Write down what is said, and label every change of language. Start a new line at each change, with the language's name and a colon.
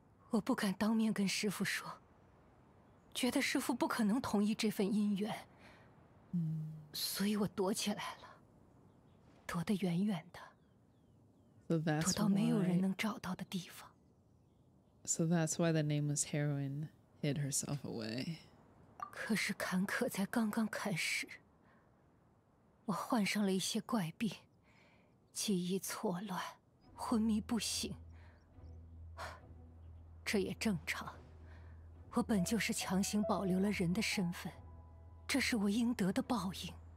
Chinese: 我不敢当面跟师父说，觉得师父不可能同意这份姻缘，所以我躲起来了，躲得远远的，躲到没有人能找到的地方。
English: So that's why the nameless heroine hid herself away.
Chinese: 可是坎坷才刚刚开始，我患上了一些怪病，记忆错乱，昏迷不醒。这也正常，我本就是强行保留了人的身份，这是我应得的报应。